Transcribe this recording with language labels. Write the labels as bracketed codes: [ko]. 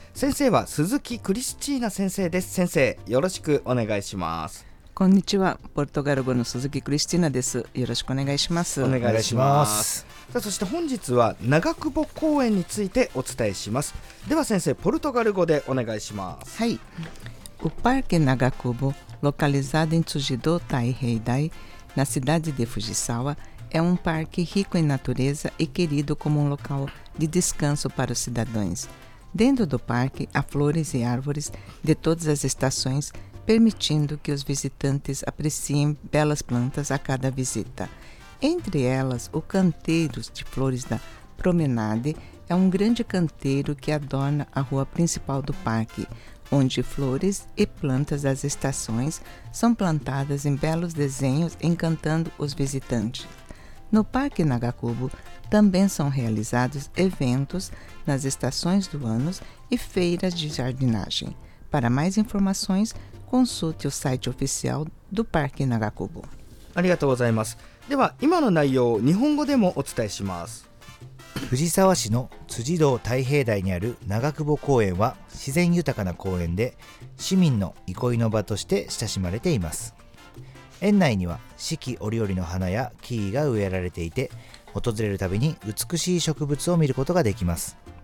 [ja] 先生は鈴木クリスチーナ先生です。先生よろしくお願いします。こんにちは、ポルトガル語の鈴木クリスチーナです。よろしくお願いします。お願いします。さあ、そして本日は長久保公園についてお伝えします。では先生、ポルトガル語でお願いします。はい。 [pt] O Parque Nagakubo, localizado em Tsujidō Taiheidai, na cidade de Fujisawa, é um parque rico em natureza e querido como um local de descanso para os cidadãos. Dentro do parque, há flores e árvores de todas as estações, permitindo que os visitantes apreciem belas plantas a cada visita. Entre elas, o canteiro de flores da Promenade é um grande canteiro que adorna a rua principal do parque,onde flores e plantas das estações são plantadas em belos desenhos encantando os visitantes. No Parque Nagakubo também são realizados eventos nas estações do ano e feiras de jardinagem. Para mais informações, consulte o site oficial do Parque Nagakubo. [ja] ありがとうございます。では今の内容を日本語でもお伝えします。藤沢市の辻堂太平台にある長久保公園は自然豊かな公園で、市民の憩いの場として親しまれています。園内には四季折々の花や木々が植えられていて、訪れるたびに美しい植物を見ることができます。